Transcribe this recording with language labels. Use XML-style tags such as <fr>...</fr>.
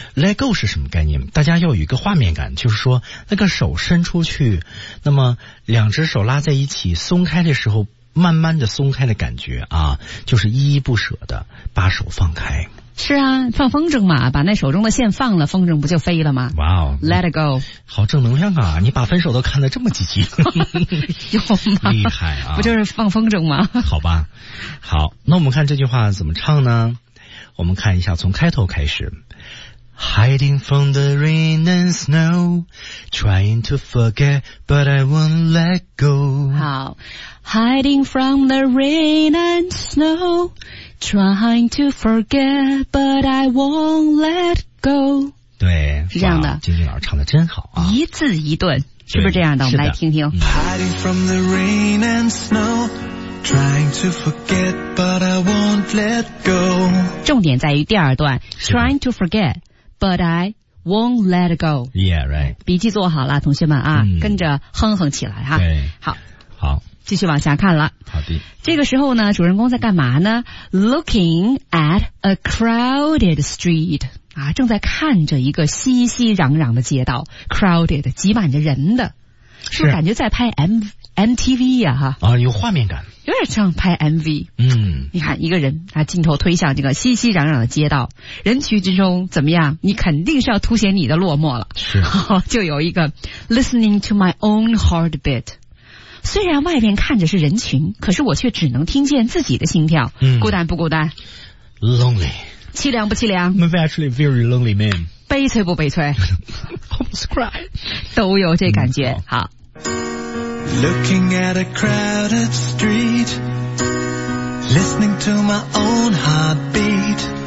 <zh>let go 是什么概念？大家要有一个画面感，就是说那个手伸出去，那么两只手拉在一起，松开的时候，慢慢的松开的感觉啊，就是依依不舍的把手放开。是啊，放风筝嘛，把那手中的线放了，风筝不就飞了吗？哇、wow, 哦</zh> <en>，Let it go，</en> <zh>好正能量啊！你把分手都看得这么积极，有吗？厉害啊！不就是放风筝吗？好吧，好，那我们看这句话怎么唱呢？我们看一下，从开头开始</zh> <en>，Hiding from the rain and snow， trying to forget， but I won't let go。好 ，Hiding from the rain and snow。 Trying to forget, but I won't let go.</en> <zh>对，是这样的。金靖老师唱的真好啊，一字一顿，是不是这样的？我们来听听。</zh> <en>Hiding from the rain and snow, trying to forget, but I won't let go.</en> <zh>重点在于第二段</zh> <en>，trying to forget, but I won't let go. Yeah, right.</en> <zh>笔记做好了，同学们啊，嗯、跟着哼哼起来哈。对，好，好。继续往下看了。好的。这个时候呢，主人公在干嘛呢 ？</zh> <en>Looking at a crowded street，</en> <zh>啊，正在看着一个熙熙攘攘的街道 ，crowded， 挤满着人的，是不是感觉在拍 MTV 呀、啊？哈。啊，有画面感。有点像拍 MV。嗯。你看一个人，他镜头推向这个熙熙攘攘的街道，人群之中怎么样？你肯定是要凸显你的落寞了。是。就有一个</zh> <en>Listening to my own heartbeat。</en> <zh>虽然外面看着是人群，可是我却只能听见自己的心跳。嗯，孤单不孤单</zh> <en>？Lonely，</en> <zh>凄凉不凄凉</zh> <en>？I'm actually very lonely man。</en> <zh>悲催不悲催</zh> <en>？Almost cry，</en> <zh>都有这感觉。嗯、好。</zh> <en>Looking at a crowded street, listening to my own heartbeat。</en>